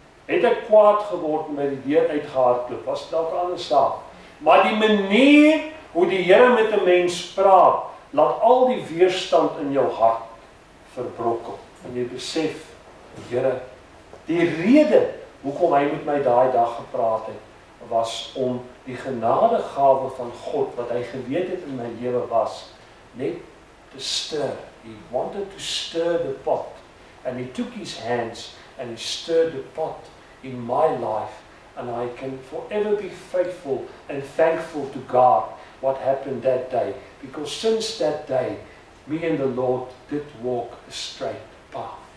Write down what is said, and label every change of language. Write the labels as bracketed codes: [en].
[af] Het ek kwaad geword en my die deur uitgehardloop? Was dit dalk anders saak? Maar die manier hoe die Here met 'n mens praat, laat al die weerstand in jou hart verbrokkel. En jy besef, Here, die rede hoekom hy met my daai dag gepraat het, was om die genadegawe van God, wat hy geweet het in my lewe was, net te stir. [en] He wanted to stir the pot. And he took his hands and he stirred the pot in my life. And I can forever be faithful and thankful to God what happened that day. Because since that day, me and the Lord did walk a straight path.